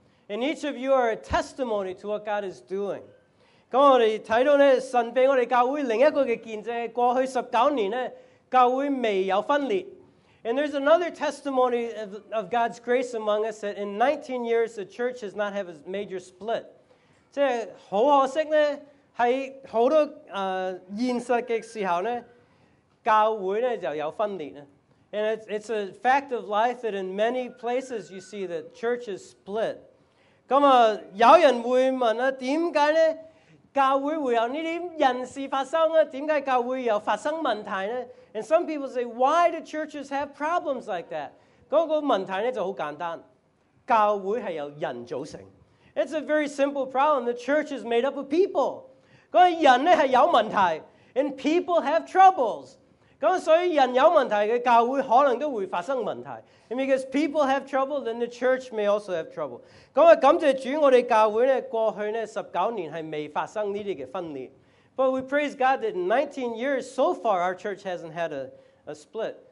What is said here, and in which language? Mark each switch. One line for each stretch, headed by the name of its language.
English: And each of you are a testimony to what God is doing.
Cantonese: 咁我哋睇到咧，神俾我哋教会另一个嘅见证，过去19年咧，教会未有分裂。
English: And there's another testimony of God's grace among us that in 19 years the church has not had a major split.
Cantonese: 即系好可惜咧，喺好多现实嘅时候咧，教会咧就有分裂咧。
English: And it's a fact of life that in many places you see that church is split.
Cantonese: 咁啊，有人會問啊，點解咧教會會有呢啲人事發生啊？點解教會又發生問題咧 ？
English: And some people say, why do churches have problems like that?
Cantonese: 嗰個問題咧就好簡單，教會係由人組成。
English: It's a very simple problem. The church is made up of people.
Cantonese: 嗰個人咧係有問題
English: ，and people have troubles.
Cantonese: 咁所以人有問題嘅教會可能都會發生問題。
English: And because people have trouble, then the church may also have trouble.
Cantonese: 咁啊，感謝主，我哋教會咧過去咧19年係未發生呢啲嘅分裂。
English: But we praise God that in 19 years so far our church hasn't had a split.